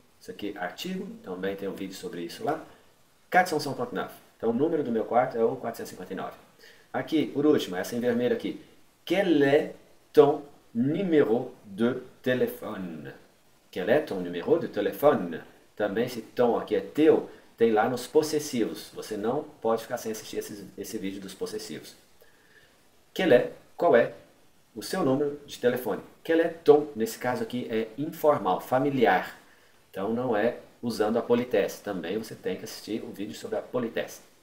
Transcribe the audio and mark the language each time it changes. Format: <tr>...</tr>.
<pt>Isso aqui é artigo, também tem um vídeo sobre isso lá. 459. Então, o número do meu quarto é o 459. Aqui, por último, essa em vermelho aqui.</pt> <fr>Quel est ton numéro de telefone? Quel est ton numéro de telefone?</fr> <pt>Também esse ton aqui é teu, tem lá nos possessivos. Você não pode ficar sem assistir esse vídeo dos possessivos. Qual é o seu número de telefone?</pt> <fr>Quel est ton,</fr> <pt>nesse caso aqui, é informal, familiar. Então não é usando a politesse. Também você tem que assistir o vídeo sobre a politesse.</pt>